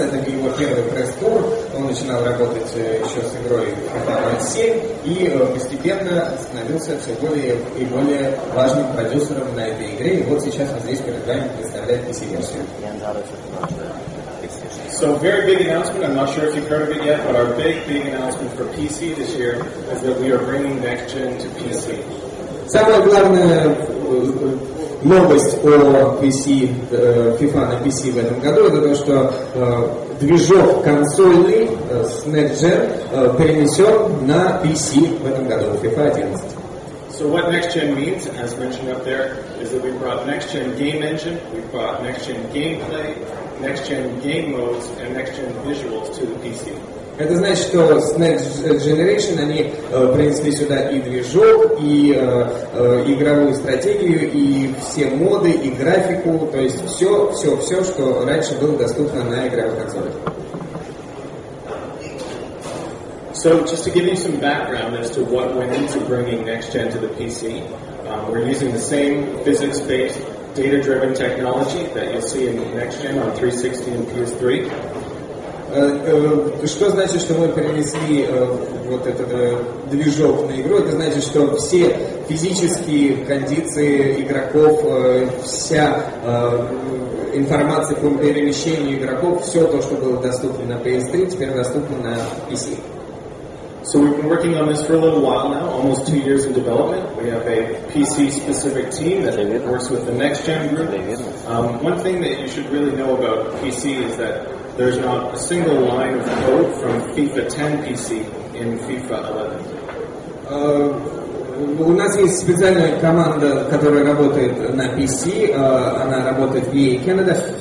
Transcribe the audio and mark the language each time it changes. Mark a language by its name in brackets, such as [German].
[Russian] Это его первый пресс-тур. Он начинал работать еще с игрой FIFA 07 и постепенно становился все более и более важным продюсером на этой игре. И вот сейчас мы здесь перед вами представляем PC-версию. [English] So very big announcement, I'm not sure if you've heard of it yet, but our big announcement for PC this year is that we are bringing Next Gen to PC. [Russian] Самая главная новость о PC, FIFA на PC в этом году, это то, что движок консольный с Next Gen перенесен на PC в этом году, FIFA 11. [English] So what Next Gen means, as mentioned up there, is that we brought Next Gen Game Engine, we brought Next Gen Gameplay, Next Gen Game Modes, and Next Gen Visuals to the PC. [Russian] Это значит, что с Next Generation они принесли сюда и движок, и игровую стратегию, и все моды, и графику, то есть все, что раньше было доступно на игровых консолях. [English] So, just to give you some background as to what went into bringing Next Gen to the PC, we're using the same physics-based, data-driven technology that you'll see in Next Gen on 360 and PS3. [Russian] Что значит, что мы перенесли вот этот движок на игру? Это значит, что все физические кондиции игроков, вся информация по перемещению игроков, все то, что было доступно на PS3, теперь доступно на PC. [English] So we've been working on this for a little while now, almost 2 years in development. We have a PC-specific team that works with the next-gen group. One thing that you should really know about PC is that there's not a single line of code from FIFA 10 PC in FIFA 11. [Russian] У нас есть специальная команда, которая работает на PC, она работает в EA Canada.